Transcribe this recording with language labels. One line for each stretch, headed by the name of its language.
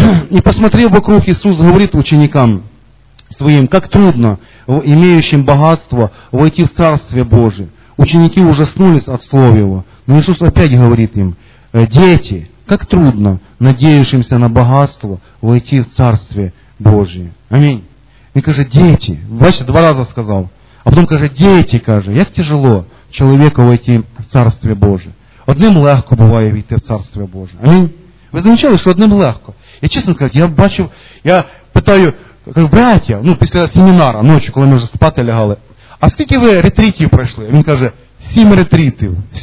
Ukrainian: І посмотрів вокруг, Ісус говорить ученикам своїм, як трудно, маючим багатство, войти в Царство Боже.
Russian: Ученики ужаснулись от слов Его. Но Иисус опять говорит им, дети, как трудно надеющимся на богатство войти в Царствие Божие. Аминь. И каже, дети, бачите, два раза сказал. А потом каже, дети, каже, як тяжело человеку войти в Царствие Божие.
Ukrainian: Одним легко буває війти в Царствие Божие. Аминь. Ви замечали, що одним легко? Я чесно кажу, я бачив, я питаю, братья, після семінара, ночі, коли ми вже спати лягали, а скільки ви ретритів пройшли? Він каже, сім ретритів.